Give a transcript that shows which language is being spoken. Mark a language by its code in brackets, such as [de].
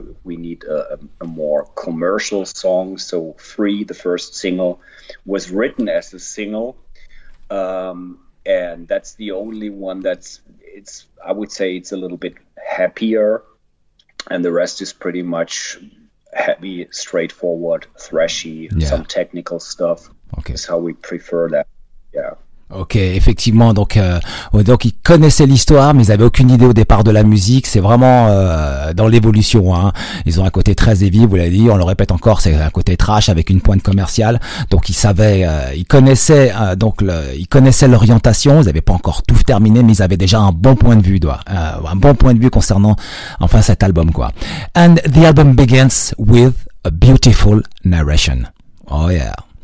[en] We need a more commercial song. So Free, the first single, was written as a single. And that's the only one I would say it's a little bit happier, and the rest is pretty much heavy, straightforward, thrashy, some technical stuff. Okay. Is how we prefer that. Yeah. [fr] Ok, effectivement, donc ils connaissaient l'histoire, mais ils avaient aucune idée au départ de la musique. C'est vraiment dans l'évolution, hein. Ils ont un côté très heavy, vous l'avez dit, on le répète encore, c'est un côté trash avec une pointe commerciale. Donc ils savaient, ils connaissaient l'orientation. Ils n'avaient pas encore tout terminé, mais ils avaient déjà un bon point de vue, concernant enfin cet album, quoi. [en] And the album begins with a beautiful narration. Oh yeah.